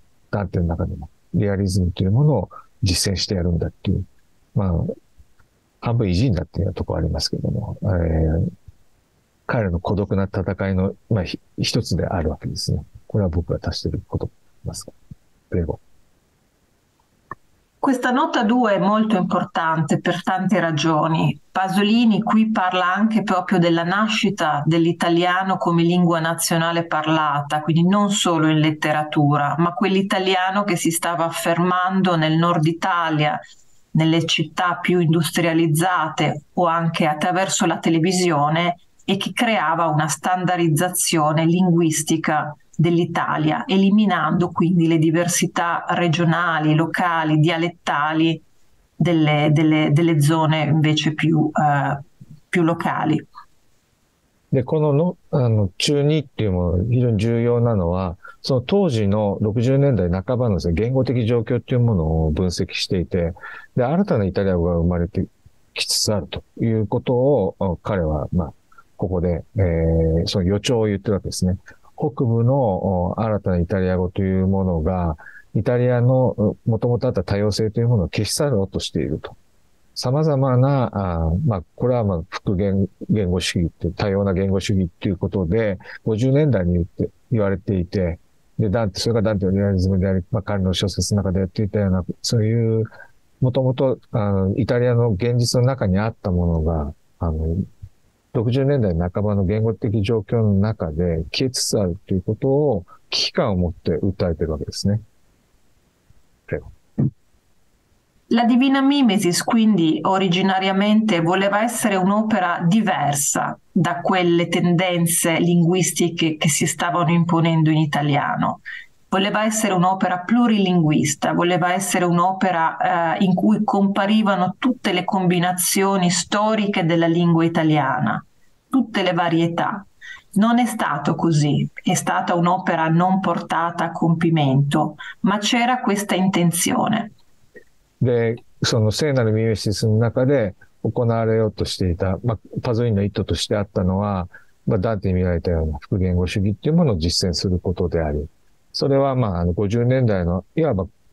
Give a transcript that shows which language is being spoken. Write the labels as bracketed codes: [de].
[ja] ダンテの中でも、リアリズムというものを実践してやるんだっていう、半分意地になっているところありますけども、彼の孤独な戦いの、一つであるわけですね。これは僕が足していることますか。 [it] プレゴ。 Questa nota 2 è molto importante per tante ragioni. Pasolini qui parla anche proprio della nascita dell'italiano come lingua nazionale parlata, quindi non solo in letteratura, ma quell'italiano che si stava affermando nel nord Italia, nelle città più industrializzate o anche attraverso la televisione e che creava una standardizzazione linguistica dell'Italia, eliminando quindi le diversità regionali, locali, dialettali delle zone invece più locali. [ja] で、このの、あの、中二っていうもの、非常に重要なのは、その当時の60年代半ばのですね、言語的状況っていうものを分析していて、で、新たなイタリア語が生まれてきつつあるということを、彼は、ここで、その予兆を言ってるわけですね。北部の新たなイタリア語というものが、イタリアのもともとあった多様性というものを消し去ろうとしていると。様々な、これは復元言語主義って、多様な言語主義っていうことで、50年代に言われていて、で、それがダンテのリアリズムであり、彼の小説の中でやっていたような、そういう、もともと、イタリアの現実の中にあったものが、60年代半ばの言語的状況の中で消えつつあるということを、危機感を持って訴えてるわけですね。 [it] La Divina Mimesis quindi originariamente voleva essere un'opera diversa da quelle tendenze linguistiche che si stavano imponendo in italiano. Voleva essere un'opera plurilinguista, voleva essere un'opera in cui comparivano tutte le combinazioni storiche della lingua italiana, tutte le varietà. Non è stato così, è stata un'opera non portata a compimento, ma c'era questa intenzione. [ja] で、その聖なるミメシスの中で行われようとしていた、パゾリーニの意図としてあったのは、ダンテに見られたような復元語主義っていうものを実践することであり、それは、50年代の、いわば、